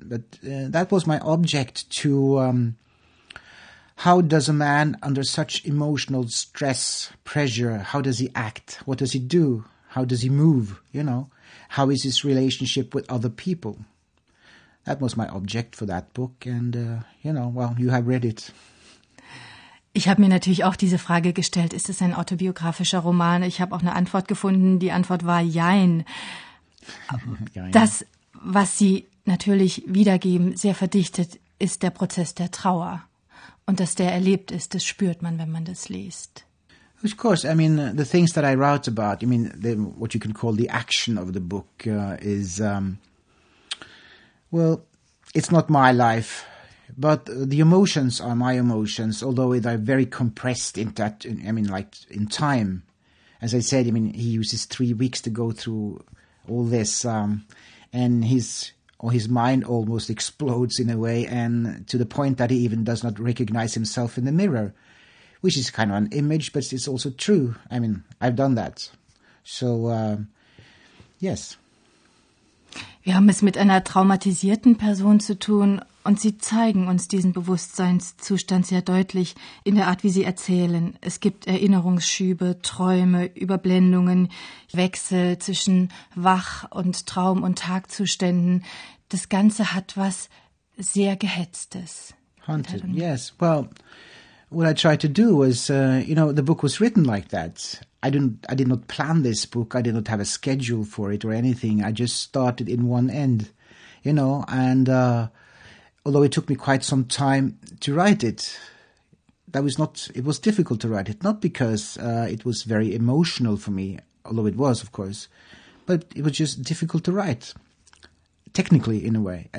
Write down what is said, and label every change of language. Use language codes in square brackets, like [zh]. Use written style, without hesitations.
[en] But that was my object to how does a man under such emotional stress, pressure, how does he act? What does he do? How does he move? You know, how is his relationship with other people? That was my object for that book. And, you know, well, you have read it. [de] Ich habe mir natürlich auch diese Frage gestellt, ist es ein autobiografischer Roman? Ich habe auch eine Antwort gefunden, die Antwort war jein. Das, was Sie natürlich wiedergeben, sehr verdichtet, ist der Prozess der Trauer. Und dass der erlebt ist, das spürt man, wenn man das liest. [en] Of course, I mean, the things that I write about, I mean, what you can call the action of the book is, well, it's not my life. But the emotions are my emotions, although they're very compressed in that, I mean, like in time. As I said, I mean, he uses 3 weeks to go through all this, and his mind almost explodes in a way, and to the point that he even does not recognize himself in the mirror, which is kind of an image, but it's also true. I mean, I've done that. So, yes. [de] Wir haben es mit einer traumatisierten Person zu tun. Und Sie zeigen uns diesen Bewusstseinszustand sehr deutlich in der Art, wie Sie erzählen. Es gibt Erinnerungsschübe, Träume, Überblendungen, Wechsel zwischen Wach- und Traum- und Tagzuständen. Das Ganze hat was sehr Gehetztes. [en] Haunted, yes. Well, what I tried to do was, you know, the book was written like that. I did not plan this book. I did not have a schedule for it or anything. I just started in one end, you know, and... although it took me quite some time to write it, it was difficult to write it, not because it was very emotional for me, although it was, of course, but it was just difficult to write, technically, in a way.